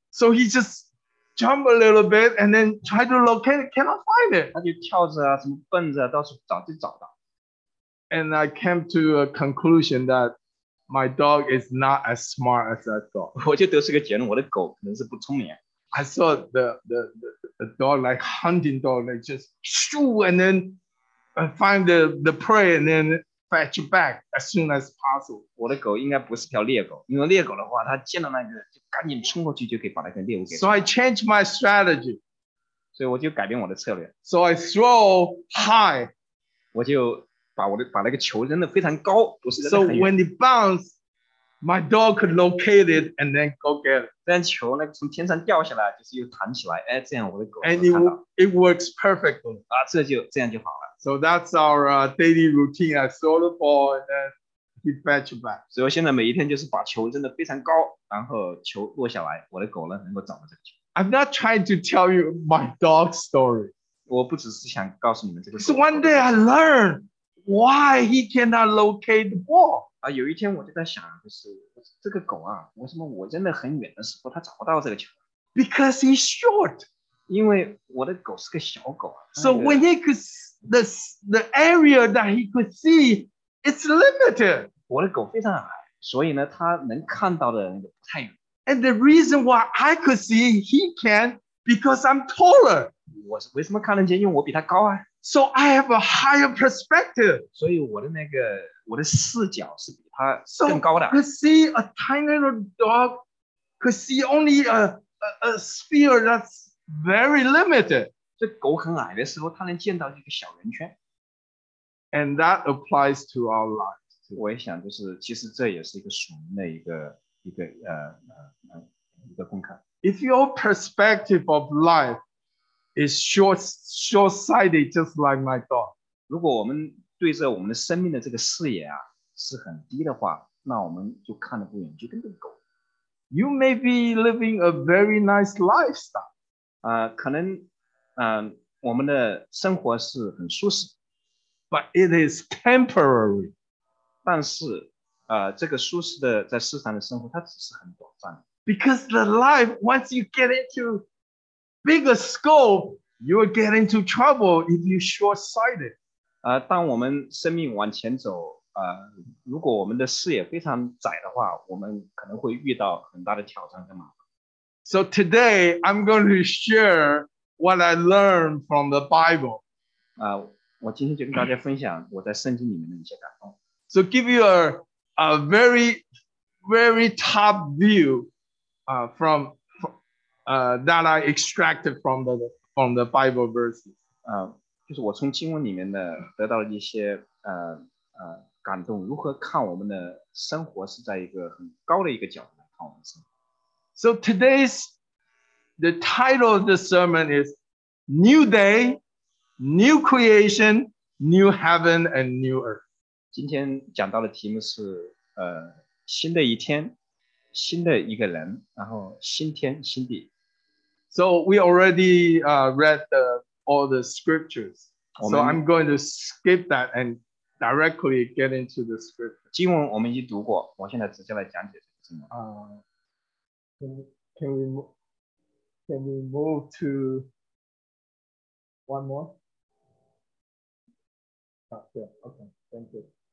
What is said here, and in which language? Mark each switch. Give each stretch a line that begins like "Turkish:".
English: So he just jumped a little bit and then tried to locate it, cannot find it.
Chinese: 他就跳着啊，什么蹦着啊，到处找就找到。
English: And I came to a conclusion that my dog is not as smart as I thought.
Chinese: 我就得出个结论，我的狗可能是不聪明。
English: I saw the dog like hunting dog, like just shoo and then find the prey and then. Fetch back as soon as possible.
Chinese: 我的狗应该不是条猎狗，因为猎狗的话，它见到那个就赶紧冲过去，就可以把那个猎物给。
English: So I changed my strategy.
Chinese: 所以我就改变我的策略。
English: So I throw high.
Chinese: 我就把那个球扔得非常高，不是扔得很远。
English: So when it bounced, my dog could locate it and then go get it.
Chinese: 这样球那个从天上掉下来，就是又弹起来，哎，这样我的狗。
English: And it works perfectly.
Chinese: 这样就好了。
English: So that's our daily routine. I throw the ball and then he fetch it back.
Chinese: 所以我现在每一天就是把球扔得非常高，然后球落下来，我的狗呢能够找到这个球。
English: I'm not trying to tell you my dog story.
Chinese: 我不只是想告诉你们这个。
English: So one day I learned why he cannot locate the ball.
Chinese: 有一天我就在想，就是这个狗啊，为什么我扔得很远的时候它找不到这个球
English: ？Because he's short.
Chinese: 因为我的狗是个小狗啊。
English: So when he could see,The area that he could see is limited.
Chinese: 我的狗非常矮，所以呢，它能看到的那个不太远。
English: And the reason why I could see he can because I'm taller.
Chinese: 我为什么看得见？因为我比他高啊。
English: So I have a higher perspective.
Chinese: 所以我的视角是比他更高的。
English: So could see a tiny little dog could see only a sphere that's very limited.
Chinese: 这狗很矮的时候，它能见到一个小圆圈。
English: And that applies to our lives.
Chinese: 我也想，就是其实这也是一个属灵的一个功课。
English: If your perspective of life is short-sighted, just like my dog.
Chinese: 如果我们对着我们的生命的这个视野啊是很低的话，那我们就看得不远，就跟这个狗。
English: You may be living a very nice lifestyle.
Chinese: 可能。我们的生活是很舒适
English: ，but it is temporary.
Chinese: 但是，这个舒适的在世上的生活，它只是很短暂。
English: Because the life, once you get into bigger scope, you will get into trouble if you short-sighted.
Chinese: 当我们生命往前走，如果我们的视野非常窄的话，我们可能会遇到很大的挑战跟麻烦。
English: So today, I'm going to share. What I learned from the Bible.
Chinese: 我今天就跟大家分享我在圣经里面的一些感动。
English: So give you a very, very top view, that I extracted from the Bible verses.
Chinese: 就是我从经文里面的得到了一些感动。如何看我们的生活是在一个很高的一个角度来看我们的生活。
English: So today's the title of the sermon is. New day, new creation, new heaven and new earth.
Chinese: 今天讲到的题目是新的一天，新的一个人，然后新天新地。
English: So we already read all the scriptures. So I'm going to skip that and directly get into the scripture.
Chinese: 经文我们已经读过，我现在直接来讲解这个经文。
English: Can we move to one more? Yeah, okay, thank you.